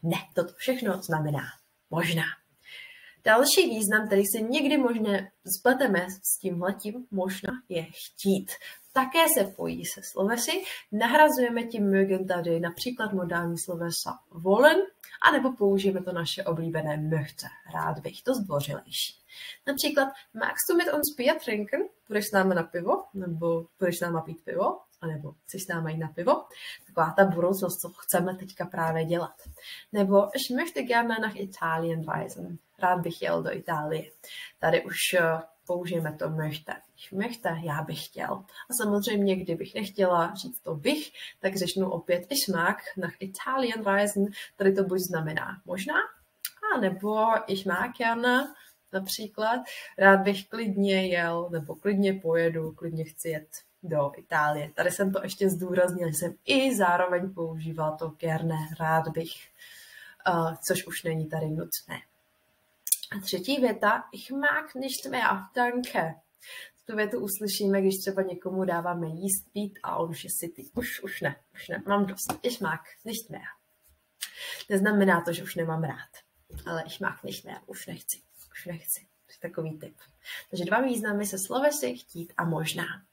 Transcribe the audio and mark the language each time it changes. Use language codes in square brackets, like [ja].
[cs] Ne, toto všechno znamená možná. Další význam, který si někdy možná spleteme s tímhletím, možná je chtít. Také se pojí se slovesy, nahrazujeme tím mögen tady například modální slovesa wollen, anebo použijeme to naše oblíbené möchte, rád bych, to zdvořilejší. [de] Například, magst du mit uns Bier trinken? [cs] Půjdeš s námi na pivo? Nebo půjdeš s námi pít pivo? Anebo chceš s námi jít na pivo? Taková ta budoucnost, co chceme teďka právě dělat. Nebo, [de] ich möchte gerne nach Italien reisen? [cs] Rád bych jel do Itálie. Tady už použijeme to möchte. Möchte, já bych chtěl. A samozřejmě, kdybych nechtěla říct to bych, tak řeknu opět [de] ich mag nach Italien reisen. [cs] Tady to buď znamená možná, a nebo [de] ich mag gerne, [cs] například, rád bych klidně jel, nebo klidně pojedu, klidně chci jet do Itálie. Tady jsem to ještě zdůraznil, jsem i zároveň používala to gerne, rád bych, což už není tady nutné. A třetí věta, [de] ich mag nicht mehr, danke. [cs] Tu větu uslyšíme, když třeba někomu dáváme jíst, pít a on už je sytý. Už ne, mám dost. [de] Ich mag nicht mehr. [cs] Neznamená to, že už nemám rád, ale [de] ich mag nicht mehr, [cs] už nechci. To je takový typ. Takže dva významy se slovesy, chtít a možná.